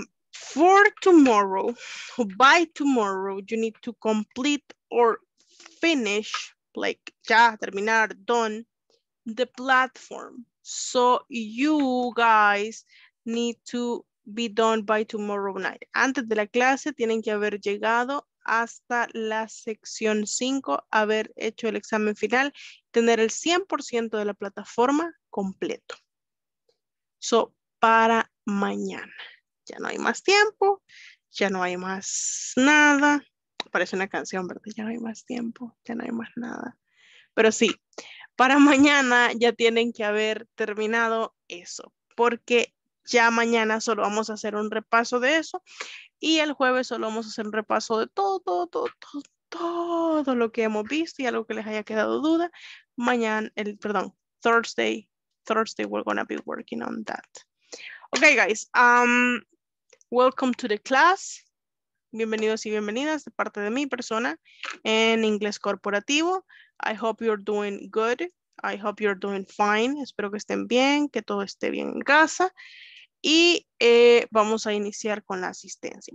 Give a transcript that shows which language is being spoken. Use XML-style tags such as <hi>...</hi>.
<en>For tomorrow, by tomorrow, you need to complete or finish, like,</en> <es>ya, terminar,</es> <en>done, the platform. So you guys need to be done by tomorrow night.</en> <es>Antes de la clase tienen que haber llegado hasta la sección 5, haber hecho el examen final, tener el 100% de la plataforma completo. So para mañana. Ya no hay más tiempo, ya no hay más nada. Parece una canción, ¿verdad? Ya no hay más tiempo, ya no hay más nada. Pero sí. Para mañana ya tienen que haber terminado eso, porque ya mañana solo vamos a hacer un repaso de eso y el jueves solo vamos a hacer un repaso de todo lo que hemos visto y algo que les haya quedado duda. Mañana,</es> <en>Thursday we're gonna be working on that. Okay, guys, welcome to the class.</en> <es>Bienvenidos y bienvenidas de parte de mi persona en inglés corporativo.</es> <en>I hope you're doing good. I hope you're doing fine.</en> <es>Espero que estén bien, que todo esté bien en casa. Y vamos a iniciar con la asistencia.</es>